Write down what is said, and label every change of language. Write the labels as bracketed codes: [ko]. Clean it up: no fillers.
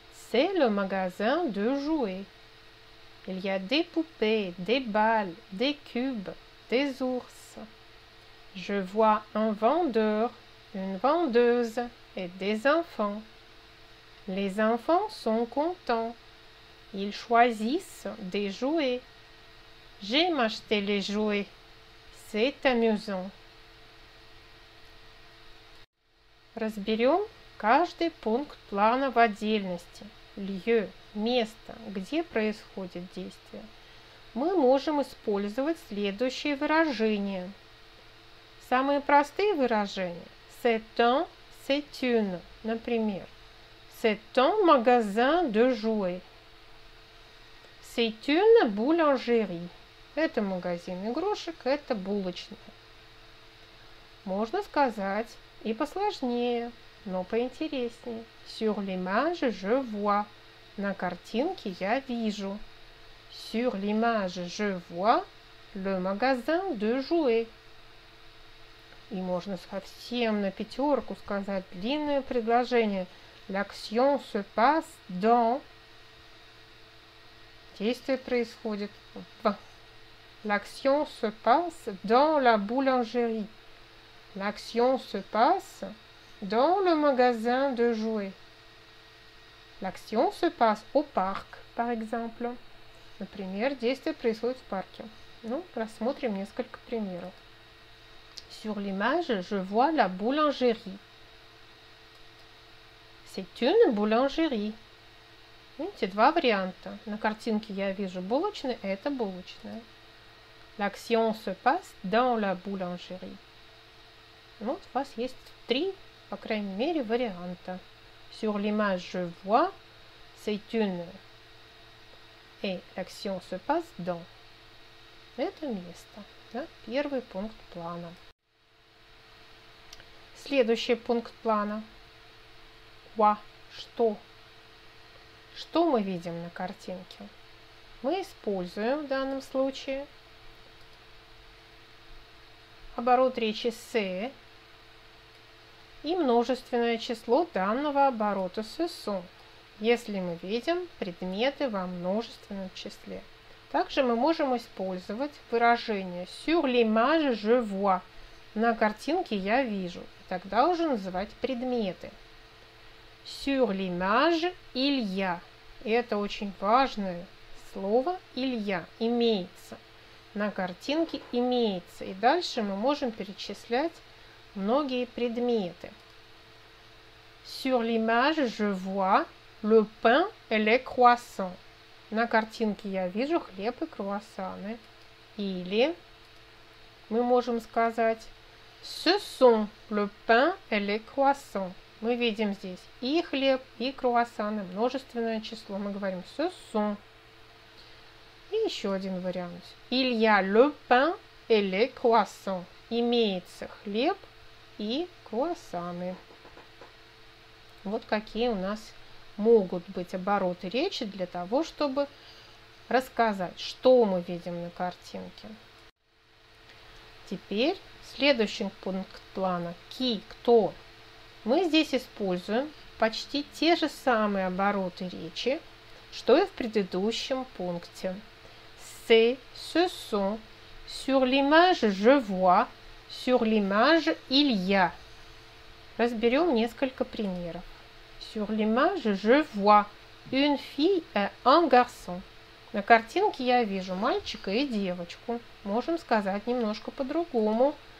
[fr] C'est le magasin de jouets. Il y a des poupées, des balles, des cubes, des ours. Je vois un vendeur, une vendeuse et des enfants. Les enfants sont contents. Ils choisissent des jouets. J'aime acheter les jouets. C'est amusant. [ru] Разберем каждый пункт плана в отдельности. Lieu – место, где происходит действие. Мы можем использовать следующие выражения. Самые простые выражения – [fr] c'est un, c'est une. [ru] Например, [fr] c'est un magasin de jouets. C'est une boulangerie. [ru] Это магазин игрушек, это булочная. Можно сказать... И посложнее, но поинтереснее. [fr] Sur l'image, je vois. [ru] На картинке я вижу. [fr] Sur l'image, je vois le magasin de jouets. [ru] И можно совсем на пятерку сказать длинное предложение. [fr] L'action se passe dans. [ru] Действие происходит в. [fr] L'action se passe dans la boulangerie. L'action se passe Dans le magasin de jouets. L'action se passe au parc, par exemple. [ru] Например, действие происходит в парке. Ну, рассмотрим несколько примеров. [fr] Sur l'image, je vois la boulangerie. C'est une boulangerie. [ru] Видите, два варианта. На картинке я вижу булочную, это булочная. [fr] L'action se passe dans la boulangerie. [ru] Ну, вот у вас есть три, по крайней мере, варианта. [fr] Sur l'image, je vois, c'est une. Et l'action se passe dans. [ru] Это место. Да? Первый пункт плана. Следующий пункт плана. Ва, что? Что мы видим на картинке? Мы используем в данном случае оборот речи «се» и множественное число данного оборота «се су», если мы видим предметы во множественном числе. Также мы можем использовать выражение [fr] «sur l'image je vois» [ru] – «на картинке я вижу», и тогда уже называть предметы. [fr] «Sur l'image il y a» [ru] – это очень важное слово [fr] «il y a» [ru] – «имеется». На картинке имеется. И дальше мы можем перечислять многие предметы. [fr] Sur l'image, je vois le pain et les croissants. [ru] На картинке я вижу хлеб и круассаны. Или мы можем сказать [fr] ce sont le pain et les croissants. [ru] Мы видим здесь и хлеб, и круассаны, множественное число. Мы говорим [fr] ce sont. [ru] И еще один вариант. [fr] Il y a le pain et les croissants. [ru] Имеется хлеб и круассаны. Вот какие у нас могут быть обороты речи для того, чтобы рассказать, что мы видим на картинке. Теперь следующий пункт плана. Ки, кто? Мы здесь используем почти те же самые обороты речи, что и в предыдущем пункте. [fr] C'est, ce sont, sur l'image je vois, sur l'image il y a. [ru] Разберем несколько примеров. [fr] Sur l'image je vois une fille et un garçon. [ru] На картинке я вижу мальчика и девочку. Можем сказать немножко по-другому.